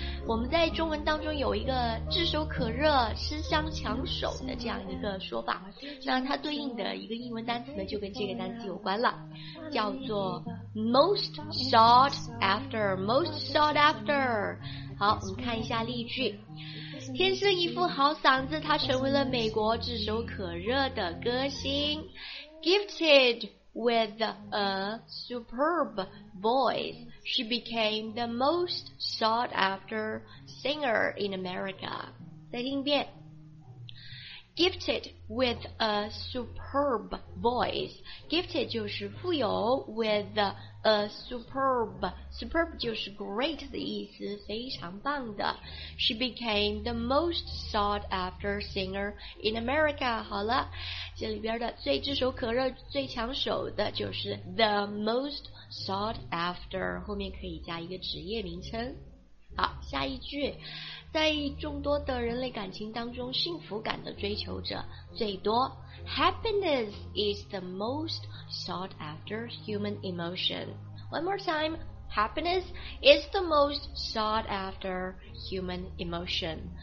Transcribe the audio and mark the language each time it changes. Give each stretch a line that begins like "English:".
Chinese: 我们在中文当中有一个炙手可热吃香抢手的这样一个说法，那它对应的一个英文单词呢就跟这个单词有关了，叫做 most sought after， most sought after。好，我们看一下例句。天生一副好嗓子，他成为了美国炙手可热的歌星。
English: Gifted with a superb voice, she became the most sought after singer in America.
Chinese: 再听一遍。
English: Gifted with a superb voice, gifted
Chinese: 就是富有，
English: with a superb, superb 就是 great
Chinese: 的意思，非常棒的。
English: She became the most sought after singer in America。
Chinese: 好了，这里边的最炙手可热最抢手的就是 the most sought after， 后面可以加一个职业名称。好，下一句，在众多的人类感情当中，幸福感的追求者最多。
English: Happiness is the most sought after human emotion. One more time. Happiness is the most sought after human emotion.